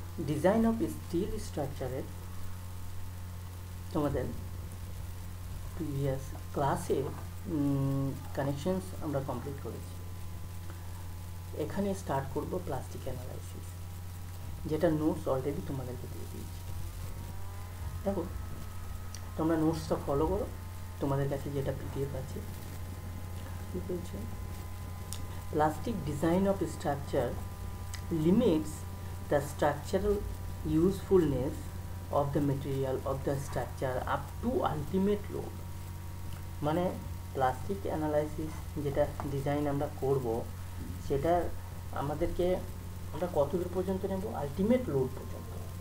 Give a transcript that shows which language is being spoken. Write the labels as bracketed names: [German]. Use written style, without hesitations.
[Bangla] Design of steel স্ট্রাকচারের তোমাদের previous ক্লাসে কানেকশনস আমরা কমপ্লিট করেছি। এখানে স্টার্ট করব প্লাস্টিক অ্যানালাইসিস, যেটা নোটস অলরেডি তোমাদেরকে দিয়ে দিয়েছি। দেখো, তোমরা নোটসটা ফলো করো, তোমাদের কাছে যেটা পিডিএফ আছে। কী বলছে, [English] Plastic design of structure limits the structural usefulness of the material of the structure up to ultimate load. [Bangla] মানে প্লাস্টিক অ্যানালাইসিস যেটা ডিজাইন আমরা করব, সেটা আমাদেরকে আমরা কতদূর পর্যন্ত নেব, আলটিমেট লোড পর্যন্ত।